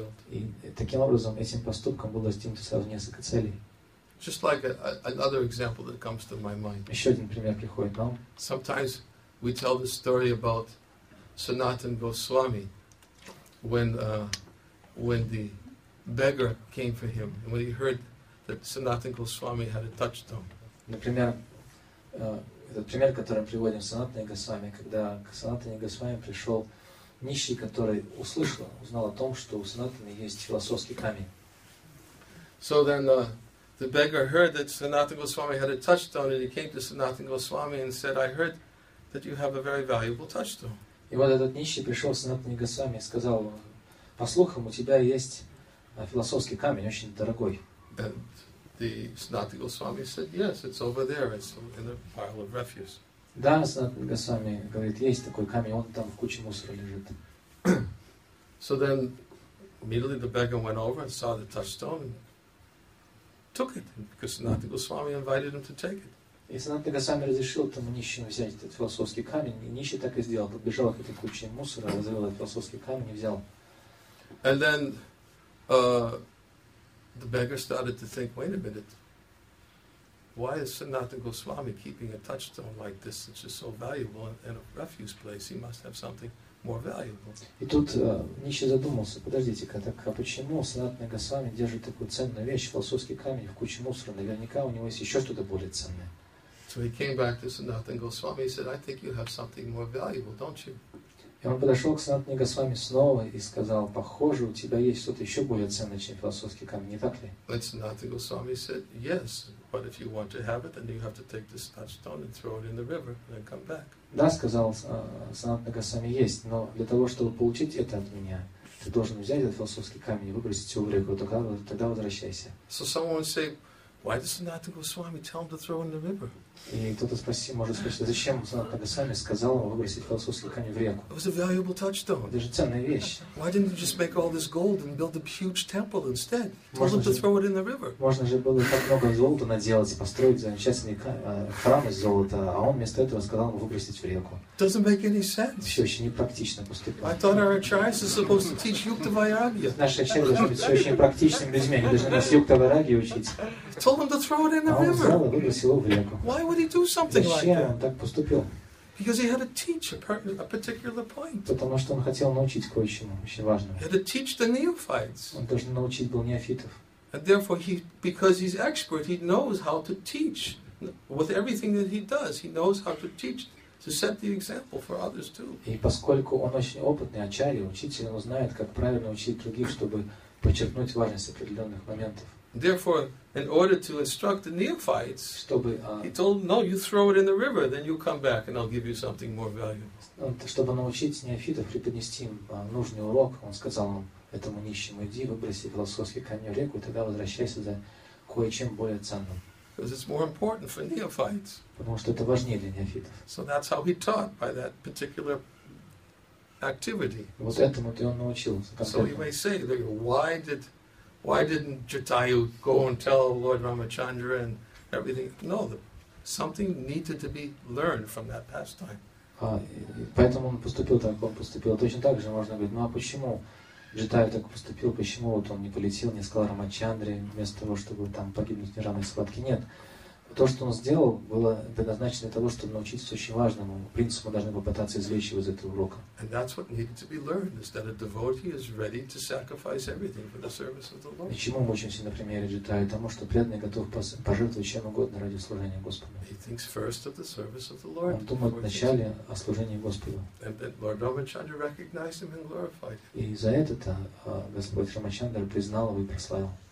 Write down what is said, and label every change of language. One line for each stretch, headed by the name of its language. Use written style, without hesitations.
Russian: И таким образом, этим поступком было достигнуто сразу несколько целей.
English: Just like another example that comes to my mind.
Russian: Еще один пример приходит нам.
English: Sometimes we tell the story about Sanatan Goswami, when the beggar came for him, and when he heard that Sanatan Goswami had a touchstone.
Russian: Например, этот пример, который приводим Санатане Госвами, когда к Санатане Госвами пришел нищий, который узнал о том, что у Санатаны есть философский камень.
English: So then the beggar heard that Sanatana Goswami had a touchstone, and he came to Sanatana Goswami and said, I heard that you have a very valuable touchstone.
Russian: И вот этот нищий пришел к Санатане Госвами и сказал, по слухам, у тебя есть философский камень, очень дорогой.
English: The Sanatana Goswami said, "Yes, it's over there. It's in a pile of refuse."
Russian: Да, Sanatana Goswami говорит, есть такой камень, он там в куче мусора лежит.
English: So then, immediately the beggar went over and saw the touchstone and took it, because Sanatana Goswami invited him to take it.
Russian: И Sanatana Goswami разрешил тому нищему взять этот философский камень, и нищий так и сделал, подбежал к этой куче мусора, развел этот философский камень и взял.
English: And then, the beggar started to think, wait a minute, why is Sanatana Goswami keeping a touchstone like this, which is so valuable, in a refuse place? He must have something more valuable.
Russian: И тут нищий задумался, подождите-ка, так а почему Санатана Госвами держит такую ценную вещь, философский камень в куче мусора? Наверняка у него есть еще что-то более ценное.
English: So he came back to Sanatana Goswami and said, I think you have something more valuable, don't you?
Russian: И он подошел к Санатане Госвами снова и сказал, похоже, у тебя есть что-то еще более ценное, чем философский камень, не так ли?
English: Санатана Госвами said, yes, but if you want to have it, then you have to take this touchstone and throw it in the river and then come back.
Russian: Да, сказал Санатана Госвами, есть, но для того, чтобы получить это от меня, ты должен взять этот философский камень и выбросить его в реку, тогда возвращайся.
English: So someone would say, why does Санатана Госвами tell him to throw it in the river?
Russian: И кто-то спросил, может спросить, зачем Санатана Госвами сказал выбросить философский камень в реку?
English: It was a valuable touchstone.
Russian: Это же ценная вещь.
English: Why didn't you just make all this gold and build a huge temple instead? Told him to throw it in the river.
Russian: Можно же было так много золота наделать и построить замечательный храм из золота, а он вместо этого сказал ему выбросить в реку.
English: Doesn't make any sense.
Russian: Все еще непрактично поступило.
English: I thought our acharyas are supposed to teach Yukta Vairagya.
Russian: Наши ачарьи должны быть все еще непрактичными людьми, они должны нас Юкта Вайрагья учить.
English: Told him to throw it in the river.
Russian: А он взял и выбросил его в реку.
English: Why would he do something like that? Because he had to teach a particular point.
Russian: Потому что он хотел научить кое-чему очень важному.
English: He had to teach the neophytes.
Russian: Он должен научить был неофитов.
English: And therefore, because he's expert, he knows how to teach. With everything that he does, he knows how to teach to set the example for others too.
Russian: И поскольку он очень опытный ачарья, учитель, он знает, как правильно учить других, чтобы подчеркнуть важность определенных моментов.
English: Therefore, in order to instruct the neophytes, he told them, "No, you throw it in the river, then you come back, and I'll give you something more valuable."
Russian: Чтобы научить неофитов преподнести им нужный урок, он сказал им этому нищему: "Иди, выброси философский камень в реку, и тогда возвращайся за кое-чем более ценным."
English: Because it's more important for neophytes.
Russian: Потому что это важнее для неофитов.
English: So that's how he taught by that particular activity.
Russian: Вот этому-то он научил.
English: So you may say, Why didn't Jatayu go and tell Lord Ramachandra and everything? No, something needed to be learned from that pastime.
Russian: Поэтому он поступил так, он поступил точно так же, можно говорить. Ну а почему Джатайю так поступил? Почему вот он не полетел, не сказал Рамачандре, вместо того, чтобы там погибнуть в неравной схватке? Нет. То, что он сделал, было предназначено для того, чтобы научиться очень важному принципу, должны попытаться извлечь его из этого урока.
English: And that's what needed to be learned, is that a devotee is ready to sacrifice everything for the service of the Lord.
Russian: И чему мы учимся на примере Джатайи? Тому, что преданный готов пожертвовать чем угодно ради служения Господу.
English: He thinks first of the service of the Lord.
Russian: Он думает вначале о служении Господу.
English: And that Lord Ramachandra recognized him and glorified him.
Russian: И за это-то Господь Рамачандра признал его и прославил.